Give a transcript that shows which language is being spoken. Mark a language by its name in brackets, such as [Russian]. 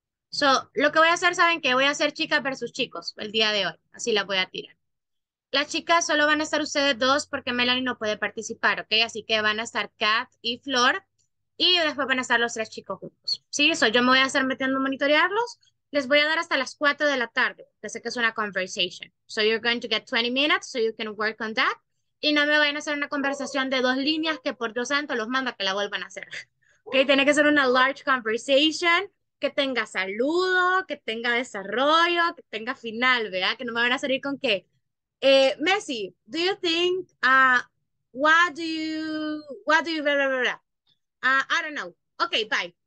[Spanish] So, lo que voy a hacer, ¿saben qué? Voy a hacer chicas versus chicos el día de hoy. Así las voy a tirar. Las chicas solo van a estar ustedes dos porque Melanie no puede participar, ¿ok? Así que van a estar Kat y Flor y después van a estar los tres chicos juntos. Sí, eso yo me voy a estar metiendo a monitorearlos. Les voy a dar hasta las 4 de la tarde, que sé que es una conversation. [English] So you're going to get 20 minutes so you can work on that. [Spanish] Y no me vayan a hacer una conversación de dos líneas que por Dios santo los manda que la vuelvan a hacer. Ok, tiene que ser una large conversation. Que tenga saludo, que tenga desarrollo, que tenga final, ¿verdad? Que no me van a salir con que. [English] Messi, do you think, what do you, bla, bla, bla, bla. I don't know. Ok, bye.